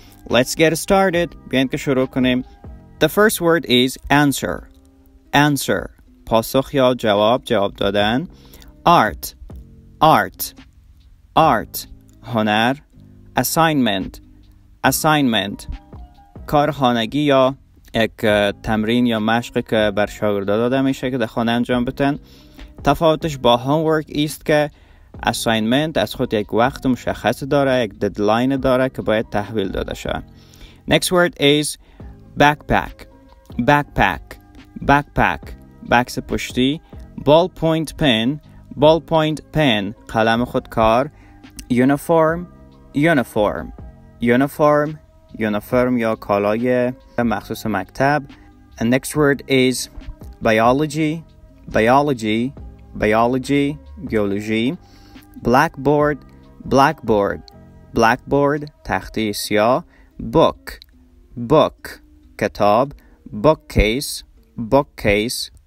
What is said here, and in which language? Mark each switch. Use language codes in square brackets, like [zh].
[en] Let's get started. [fa] Bien ke shuru konim. [en] The first word is answer. [fa] Answer. پاسخ یا جواب، جواب دادن. Art, art, art. هنر. [en] Assignment, assignment. [fa] کار خانگی یا یک تمرین یا مشق که بر شاگرده داده میشه که در خانه انجام بتن. تفاوتش با homework ایست که assignment از خود یک وقت مشخص داره، یک deadline داره که باید تحویل داده شه. [en] Next word is backpack, backpack, backpack. بکس پشتی. Ballpoint pen. Ballpoint pen. قلم خودکار. Uniform. Uniform. Uniform. [fa] Uniform یا کالای مخصوص مکتب. [en] And next word is biology. Biology. Biology. Biology. Blackboard. Blackboard. Blackboard. تختی سیاه. Book. Book. کتاب. Bookcase. Bookcase.